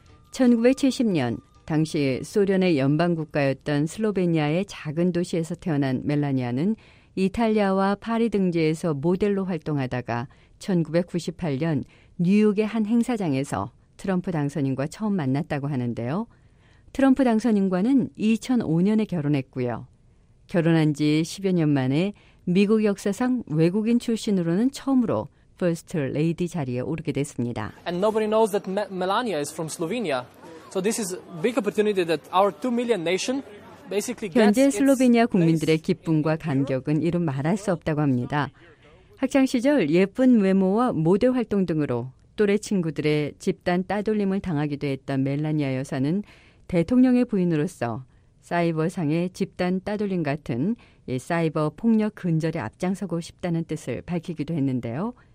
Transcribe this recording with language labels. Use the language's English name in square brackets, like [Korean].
[Korean] 1970년 당시 소련의 연방국가였던 슬로베니아의 작은 도시에서 태어난 멜라니아는 이탈리아와 파리 등지에서 모델로 활동하다가 1998년 뉴욕의 한 행사장에서 트럼프 당선인과 처음 만났다고 하는데요. 트럼프 당선인과는 2005년에 결혼했고요. 결혼한 지 10여 년 만에 미국 역사상 외국인 출신으로는 처음으로 퍼스트 레이디 자리에 오르게 됐습니다. [English] And nobody knows that Melania is from Slovenia. So this is a big opportunity that our 2 million nation basically gets. [Korean] 현재 슬로베니아 국민들의 기쁨과 감격은 이루 말할 수 없다고 합니다. 학창 시절 예쁜 외모와 모델 활동 등으로 또래 친구들의 집단 따돌림을 당하기도 했던 멜라니아 여사는 대통령의 부인으로서 사이버상의 집단 따돌림 같은 사이버 폭력 근절에 앞장서고 싶다는 뜻을 밝히기도 했는데요.